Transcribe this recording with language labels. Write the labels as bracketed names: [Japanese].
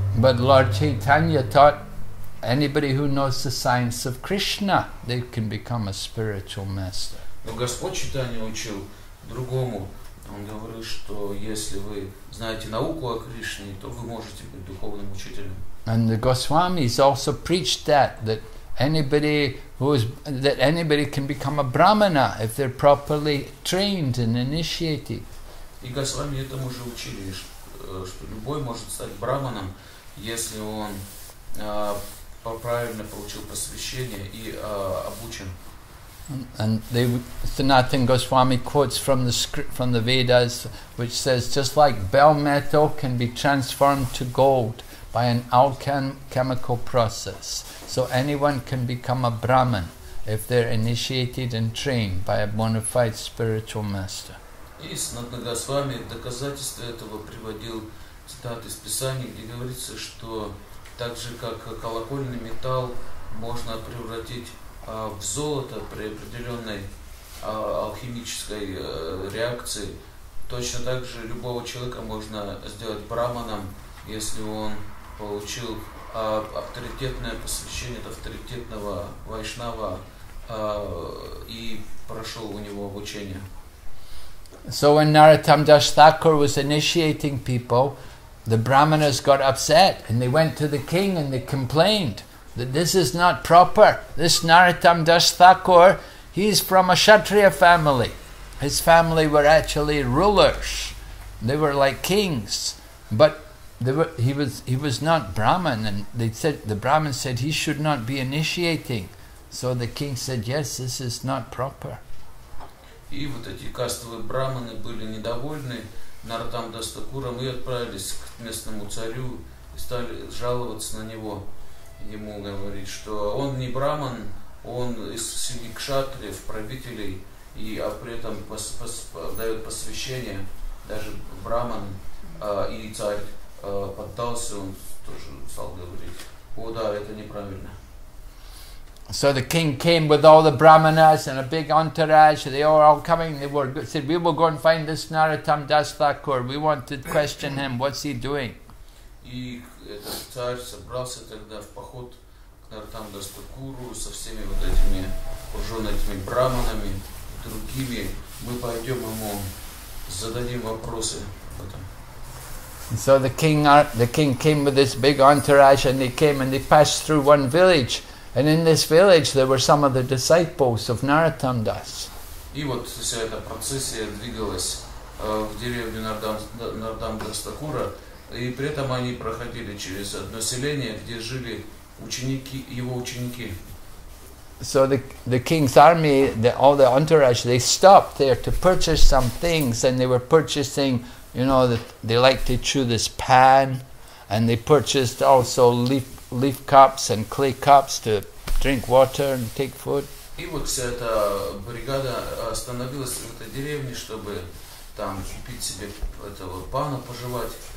[English] But Lord Chaitanya taught anybody who knows the science of Krishna, they can become a spiritual master. [Russian] Но Господь Чайтанья учил другому. Он говорит, что если вы знаете науку о Кришне, то вы можете быть духовным учителем. [English] And the Goswamis also preached that anybody who is that anybody can become a brahmana if they're properly trained and initiated. [Russian] И Госвами этому же учили, что любой может стать брахманом, если он правильно получил посвящение и обучен. [English] And Sanatan Goswami quotes from the Vedas, which says, just like bell metal can be transformed to gold by an alchemical process, so anyone can become a Brahman if they're initiated and trained by a bona fide spiritual master. [Russian] И Sanatan Goswami доказательство этого приводил цитаты из Писаний, где говорится, что так же как колокольный металл можно превратить в золото при определенной алхимической реакции, точно так же любого человека можно сделать брахманом, если он получил авторитетное посвящение от авторитетного вайшнава и прошел у него обучение. [English] So when Narottam Das Thakur was initiating people, the brahmanas got upset and they went to the king and they complained that this is not proper. This Narottam Das Thakur, he's from a Kshatriya family. His family were actually rulers. They were like kings. But he was not Brahman. And they said the Brahman said he should not be initiating. So the king said, yes, this is not proper. [Russian] И вот эти кастовые брахманы были недовольны Narottam Das Thakuram и отправились к местному царю и стали жаловаться на него. Ему говорит, что он не брахман, он из семьи кшатриев, правителей, и а при этом дает посвящение, даже брахман и царь поддался, он тоже стал говорить, о да, это неправильно. [English] So the king came with all the brahmanas and a big entourage, they were all coming, they were said, we will go and find this Narottam Das Thakur, we want to question him, what's he doing? [Russian] И этот царь собрался тогда в поход к Narottam Das Thakuru со всеми вот этими окруженными брахманами и другими. Мы пойдем ему зададим вопросы об этом. [English] And so the king came with this big entourage and they came and they passed through one village. And in this village there were some of the disciples of Narottam Das. [Russian] И вот вся эта процессия двигалась в деревню Narottam Das Thakura. И при этом они проходили через одно селение, где жили ученики, его ученики. [English] So the king's army, all the entourage, they stopped there to purchase some things, and they were purchasing, you know, they liked to chew this pan, and they purchased also leaf cups and clay cups to drink water and take food. [Russian] И вот вся эта бригада остановилась в этой деревне, чтобы там купить себе этого пана пожевать.